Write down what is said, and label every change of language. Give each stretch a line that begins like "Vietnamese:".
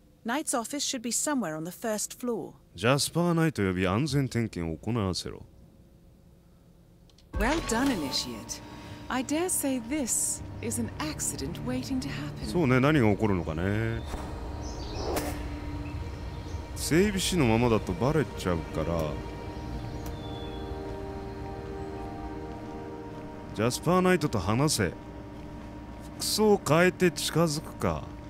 English: Knight's office should be somewhere on the first floor.
Japanese: ジャスパーナイト呼び安全点検を行わせろ。
English: Well done, initiate. I dare say this is an accident waiting to happen.
Japanese: そうね、何が起こるのかね。整備士のままだとバレちゃうから。ジャスパーナイトと話せ。服装変えて近づくか。